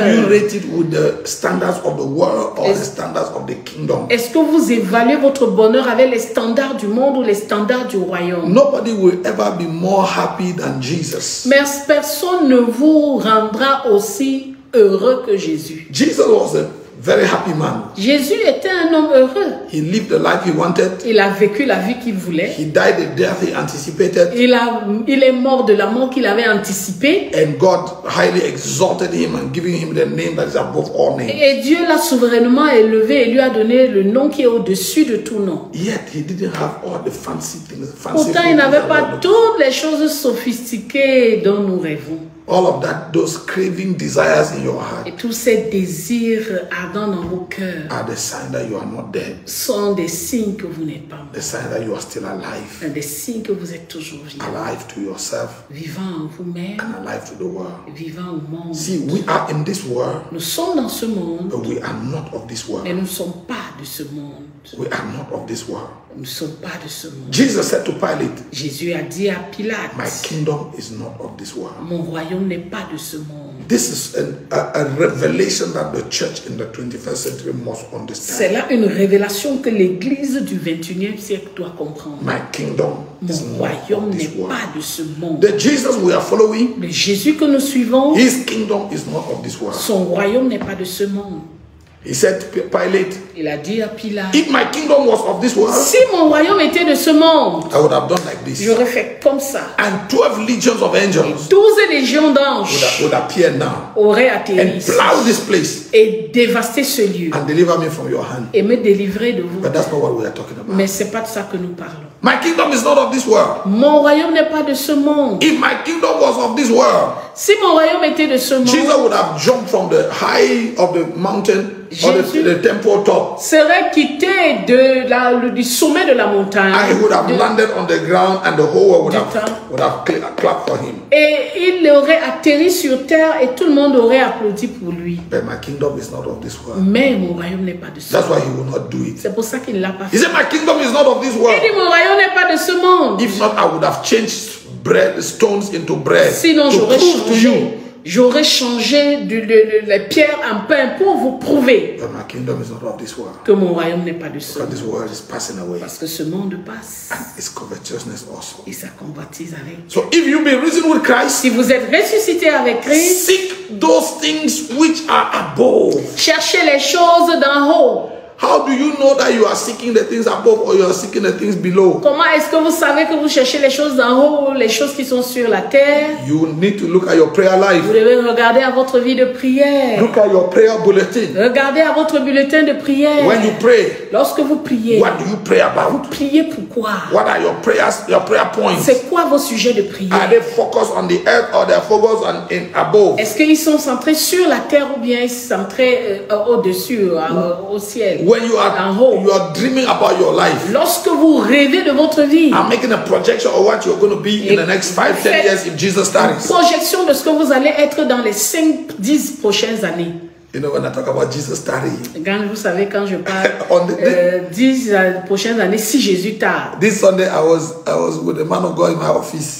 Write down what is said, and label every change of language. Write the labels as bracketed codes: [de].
[en] Do you rate it with the standards of the world or the standards of the kingdom? [fr] Est-ce que vous évaluez votre bonheur avec les standards du monde ou les standards du royaume? [en] Nobody will ever be more happy than Jesus. [fr] Mais personne ne vous rendra aussi heureux que Jésus. [en] Jesus was a very happy man. [fr] Jésus était un homme heureux. [en] He lived the life he wanted. [fr] Il a vécu la vie qu'il voulait. [en] He died the death he anticipated. [fr] Il est mort de la mort qu'il avait anticipée. [en] And God highly exalted him and giving him the name that is above all names. [fr] Et Dieu l'a souverainement élevé et lui a donné le nom qui est au-dessus de tout nom. [en] Yet he didn't have all the fancy things. Fancy [fr] pourtant, il n'avait pas toutes les choses sophistiquées dont nous rêvons. [en] All of that, those craving desires in your heart, [fr] et tous ces désirs ardents dans vos cœurs, [en] are the sign that you are not dead. [fr] Sont des signes que vous n'êtes pas mort. [en] The sign that you are still alive. [fr] Et des signes que vous êtes toujours vivant. [en] Alive to yourself. [fr] Vivant en vous-même. [en] And alive to the world. [fr] Vivant au monde. [en] See, we are in this world. [fr] Nous sommes dans ce monde. [en] But we are not of this world. [fr] Mais nous ne sommes pas de ce monde. [en] We are not of this world. [fr] Nous ne sommes pas de ce monde. [en] Jesus said to Pilate, [fr] Jésus a dit à Pilate, [en] my kingdom is not of this world. [fr] Mon royaume n'est pas de ce monde. [en] This is a revelation that the church in the 21st century must understand. [fr] C'est là une révélation que l'église du 21e siècle doit comprendre. [en] My kingdom [fr] Mon royaume n'est pas de ce monde. [en] The Jesus we are following, [fr] le Jésus que nous suivons, [en] his kingdom is not of this world. [fr] Son royaume n'est pas de ce monde. [en] He said, Pilate, [fr] il a dit à Pilate, [en] if my kingdom was of this world, [fr] si mon royaume était de ce monde, [en] I would have done like this. [fr] J'aurais fait comme ça. [en] And 12 legions of angels, [fr] et 12 légions d'anges, [en] would appear now, [fr] auraient atterri, [en] and plow this place, [fr] et dévasté ce lieu, [en] and deliver me from your hand, [fr] et me délivrer de vous. [en] But that's not what we are talking about. [fr] Mais c'est pas de ça que nous parlons. [en] My kingdom is not of this world. [fr] Mon royaume n'est pas de ce monde. [en] If my kingdom was of this world, [fr] si mon royaume était de ce monde, [en] Jesus would have jumped from the high of the mountain. the temple top, [fr] serait quitté de la, du sommet de la montagne. [en] I would have landed on the ground and the whole world would have clapped for him. [fr] Et il aurait atterri sur terre et tout le monde aurait applaudi pour lui. [en] But my kingdom is not of this world. [fr] Mais mon royaume n'est pas de ce monde. [en] That's why he will not do it. [fr] C'est pour ça qu'il ne l'a pas fait. [en] He said, my kingdom is not of this world. [fr] Il dit, mon royaume n'est pas de ce monde. [en] If not, I would have changed bread, stones into bread. [fr] Sinon, j'aurais changé. [en] To you. [fr] J'aurais changé les pierres en pain pour vous prouver [en] that my kingdom is not of this world. [fr] Que mon royaume n'est pas de ce [en] monde. This world is passing away. [fr] Parce que ce monde passe. [en] And its covetousness also. [fr] Et sa convoitise avec. [en] So if you be risen with Christ, [fr] si vous êtes ressuscité avec Christ, [en] seek those things which are above. [fr] Cherchez les choses d'en haut. [en] How do you know that you are seeking the things above or you are seeking the things below? [fr] Comment est-ce que vous savez que vous cherchez les choses d'en haut, les choses qui sont sur la terre? [en] You need to look at your prayer life. [fr] Vous devez regarder à votre vie de prière. [en] Look at your prayer bulletin. [fr] Regardez à votre bulletin de prière. [en] When you pray, [fr] lorsque vous priez, [en] what do you pray about? [fr] Vous priez pour quoi? [en] What are your prayer points? [fr] C'est quoi vos sujets de prière? [en] Are they focused on the earth or they're focused on in above? [fr] Est-ce qu'ils sont centrés sur la terre ou bien ils sont centrés au-dessus, au ciel? [en] When you are dreaming about your life, [fr] lorsque vous rêvez de votre vie, [en] I'm making a projection of what you're going to be in the next 5-10 years if Jesus tarries. [fr] Projection de ce que vous allez être dans les 5-10 prochaines années. [en] You know when I talk about Jesus tarrying. [fr] Quand vous savez quand je parle [en] on the [fr] 10 prochaines années si Jésus tarde. [en] This Sunday I was with a man of God in my office.